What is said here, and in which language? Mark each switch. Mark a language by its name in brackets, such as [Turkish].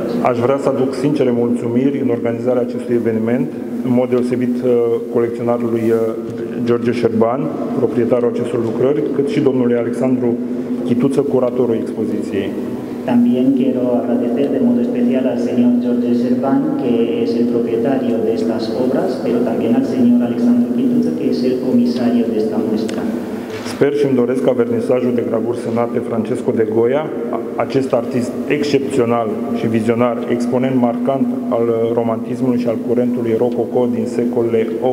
[Romanian] Aș vrea să aduc sincere mulțumiri în organizarea acestui eveniment, în mod deosebit colecționarului George Șerban, proprietarul acestor lucrări, cât și domnului Alexandru Chituță, curatorul expoziției. [Spanish] También quiero agradecer de modo especial al señor George Servan, que es el propietario de estas obras, pero también al señor Alexandru Pituță, que es el comisario de esta muestra. [Romanian] Sper și îmi doresc ca vernisajul de gravuri semnate Francesco de Goya, acest artist excepțional și vizionar, exponent marcant al romantismului și al curentului rococo din secolele 18-19.